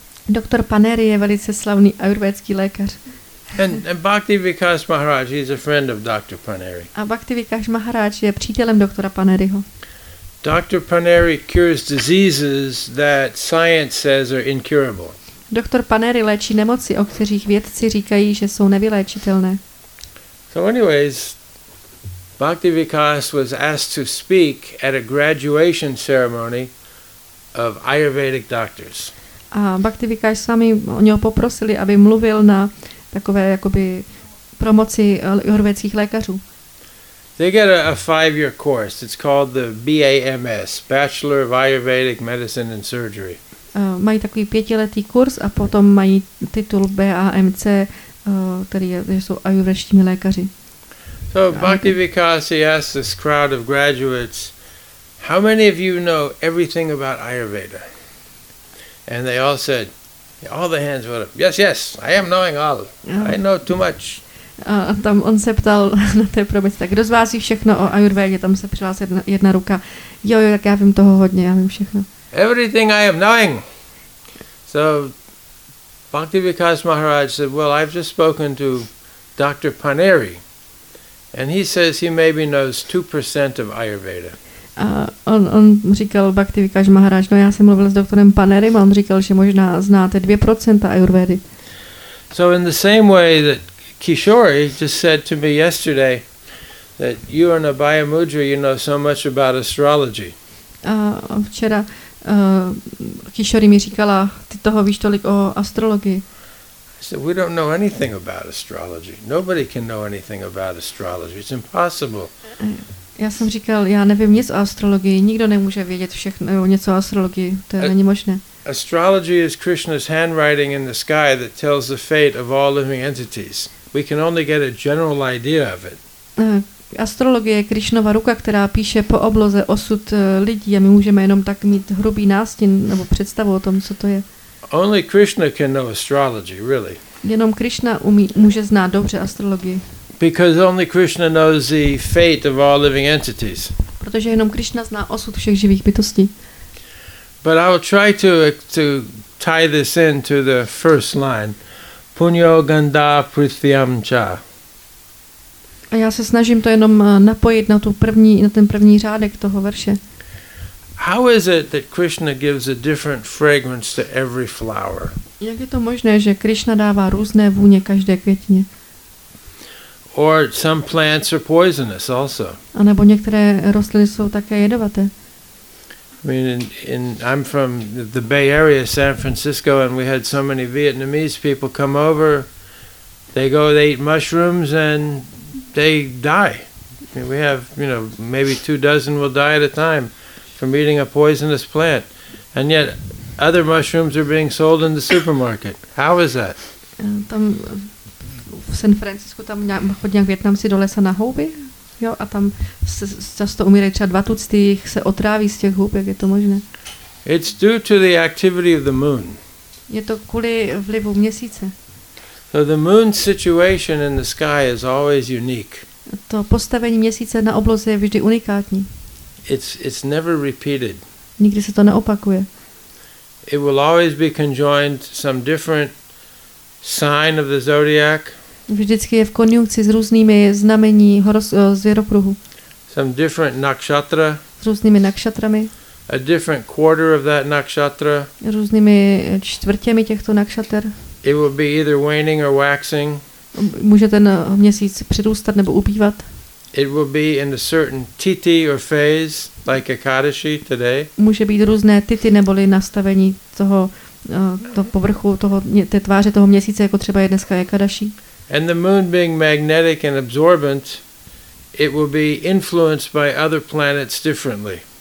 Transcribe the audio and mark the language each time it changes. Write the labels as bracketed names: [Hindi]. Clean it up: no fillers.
[Czech] Doktor Paneri je velice slavný ayurvédský lékař. [English] And Bhaktivikas Maharaj, he's a friend of Dr. Paneri. [Czech] A Bhaktivikas Maharaj je přítelem doktora Paneriho. [English] Dr. Paneri cures diseases that science says are incurable. [Czech] Doktor Paneri léčí nemoci, o kterých vědci říkají, že jsou nevyléčitelné. [English] So anyways, Bhaktivikas was asked to speak at a graduation ceremony of Ayurvedic doctors. [Czech] A Bhaktivikas sami o něho poprosili, aby mluvil na takové jakoby promoci ayurvédských lékařů. [English] They get a 5-year course. It's called the BAMS, Bachelor of Ayurvedic Medicine and Surgery. [Czech] Mají takový 5-letý kurz a potom mají titul BAMC, který jsou ayurvédští lékaři. [English] So Bhaktivikas asked this crowd of graduates, how many of you know everything about Ayurveda? And they all said, all the hands went up. Yes, I am knowing all. I know too much. [Czech] A tam on se ptal na té promice, tak kdo z vás ví všechno o Ayurvédě? Tam se přihlásila jedna ruka. Jo, tak já vím toho hodně, já vím všechno. [English] Everything I am knowing. So Bhaktivikas Maharaj said, well, I've just spoken to Dr. Paneri. And he says he maybe knows 2% of Ayurveda. [Czech] On říkal Bhaktivikas Maharaj, no já jsem mluvil s doktorem Panerim a on říkal, že možná znáte 2% Ayurvedy. [English] So in the same way that Kishori just said to me yesterday that you and Abhaya Mudra, you know so much about astrology. [Czech] Včera Kishori mi říkala, ty toho víš tolik o astrologii. [English] So we don't know anything about astrology. Nobody can know anything about astrology. It's impossible. [Czech] Já jsem říkal, já nevím nic o astrologii. Nikdo nemůže vědět všechno o něco o astrologii. To je není možné. [English] Astrology is Krishna's handwriting in the sky that tells the fate of all living entities. We can only get a general idea of it. [Czech] Astrologie je Krishnova ruka, která píše po obloze osud lidí a my můžeme jenom tak mít hrubý nástin nebo představu o tom, co to je. [English] Only Krishna can know astrology, really. [Czech] Jenom Krishna může znát dobře astrologii. [English] Because only Krishna knows the fate of all living entities. [Czech] Protože jenom Krishna zná osud všech živých bytostí. [English] But I will try to tie this in to the first line. [Sanskrit] Punyo ganda prithyam cha. [Czech] A já se snažím to jenom napojit na tu první, na ten první řádek toho verše. [English] How is it that Krishna gives a different fragrance to every flower? [Czech] Jak je to možné, že Krishna dává různé vůně každé květině? [English] Or some plants are poisonous also. [Czech] A nebo některé rostliny jsou také jedovaté. [English] I mean, I'm from the Bay Area, San Francisco, and we had so many Vietnamese people come over. They eat mushrooms and they die. I mean, we have, you know, maybe 2 dozen will die at a time from eating a poisonous plant. And yet, other mushrooms are being sold in the supermarket. How is that? [Czech] Tam v San Francisco, tam chodí nějak Vietnamci do lesa na houby, jo, a tam se často umírají třeba 2 tucty, jich se otráví z těch houb, jak je to možné? [English] It's due to the activity of the moon. [Czech] Je to kvůli vlivu měsíce. [English] So the moon situation in the sky is always unique. [Czech] To postavení měsíce na obloze je vždy unikátní. [English] It's never repeated. [Czech] Nikdy se to neopakuje. [English] It will always be conjoined some different sign of the zodiac. [Czech] Vždycky je v konjunkci s různými znamení zvěrokruhu. [English] Some different nakshatra. [Czech] S různými nakshatrami. [English] A different quarter of that nakshatra. [Czech] Různými čtvrtěmi těchto nakshater. [English] It will be either waning or waxing. [Czech] Může ten měsíc přirůstat nebo ubývat. [English] It will be in a certain titi or phase, like Ekadashi today. [Czech] Může být různé titi neboli nastavení toho to povrchu toho té tváře toho měsíce, jako třeba je dneska Ekadashi. [English] And the moon being magnetic and absorbent, it will be influenced by other planets differently.